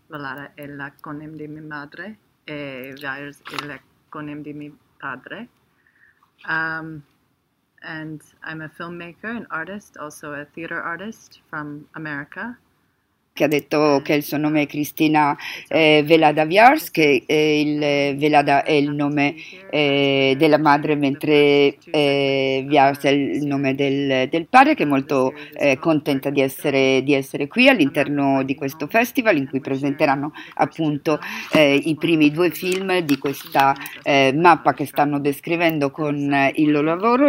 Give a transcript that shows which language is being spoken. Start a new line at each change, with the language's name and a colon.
Italian: Valada è il cognome di mia madre e Vyers è il cognome di mio padre.
English: And I'm a filmmaker, an artist, also a theater artist from America.
Italian: Che ha detto che il suo nome è Cristina Velada Vyars, che il Velada è il nome della madre, mentre Vyars è il nome del padre, che è molto contenta di essere qui all'interno di questo festival, in cui presenteranno appunto i primi due film di questa mappa che stanno descrivendo con il loro lavoro.